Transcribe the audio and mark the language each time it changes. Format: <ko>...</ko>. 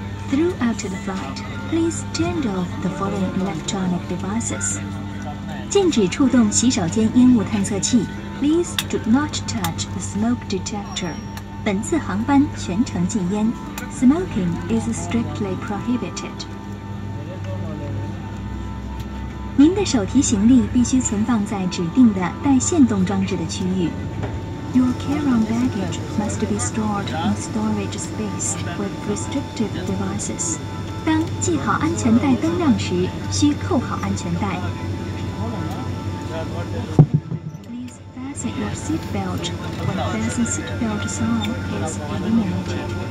<en>Throughout the flight, please turn off the following electronic devices.</en> <zh>禁止触动洗手间烟雾探测器.</zh> <en>Please do not touch the smoke detector.</en> <zh>本次航班全程禁烟.</zh> <en>Smoking is strictly prohibited.</en> <zh>您的手提行李必须存放在指定的带线动装置的区域。</zh> <en>Your carry-on baggage must be stored in storage space with restrictive devices.</en> <zh>当系好安全带灯亮时，需扣好安全带。</zh> <en>Please fasten your seat belt when fasten seat belt sign is eliminated.</en>